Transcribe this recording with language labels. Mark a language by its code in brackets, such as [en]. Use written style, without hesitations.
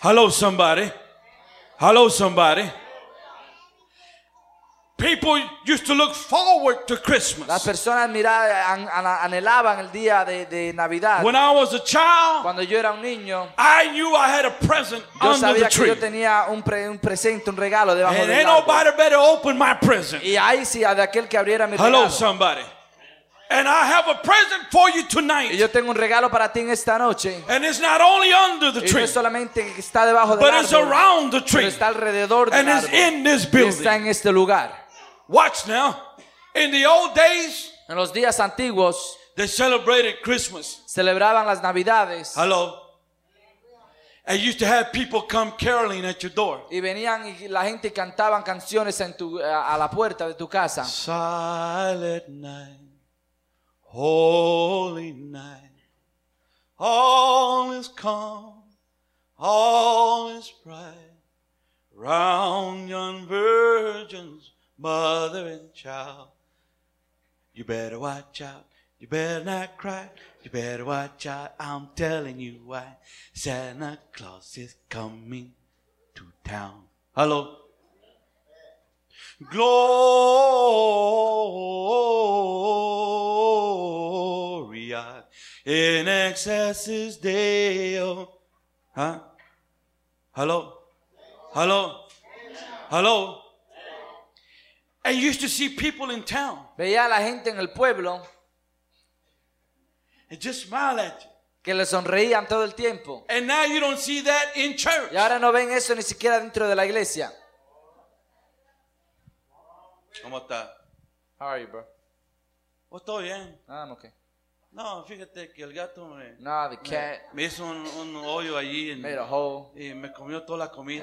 [en] Hello, somebody. Hello, somebody. People used to look forward to Christmas. [es] Las personas anhelaban el día de Navidad. [en] When I was a child, [es] cuando yo era un niño, [en] I knew I had a present under the tree. [es] Yo tenía un presente, un regalo debajo del árbol. [en] And nobody better open my present. [es] Y ahí sí, de aquel que abriera mi [en] hello, [es] regalo. [en] Somebody. And I have a present for you tonight. [es] Y yo tengo un regalo para ti en esta noche. [en] And it's not only under the tree. [es] Y no solamente está debajo del [en] but [es] árbol, [en] it's around the tree. [es] Pero está alrededor del [en] and [es] árbol. [en] It's in this building. [es] Y está en este lugar. [en] Watch now. In the old days, [es] en los días antiguos, [en] they celebrated Christmas. [es] Celebraban las Navidades. [en] Hello. And you used to have people come caroling at your door. [es] Y venían y la gente cantaban canciones en tu a la puerta de tu casa. [en] Silent night. Holy night, all is calm, all is bright, round yon virgin's mother and child. You better watch out, you better not cry, you better watch out, I'm telling you why. Santa Claus is coming to town. Hello. [la] Gloria in excelsis Deo. [en] Huh? Hello? Hello? Hello? And used to see people in town. [es] Veía a la gente en el pueblo. [en] And just smile at you. [es] Que le sonreían todo el tiempo. [en] And now you don't see that in church. [es] Y ahora no ven eso ni siquiera dentro de la iglesia. ¿Cómo está? [en] How are you, bro? [es] Estoy bien. [en] Ah, I'm okay. [es] No, fíjate que el gato me, [en] nah, the cat [es] me hizo un hoyo allí en, [en] made a hole, [es] y me comió toda la comida.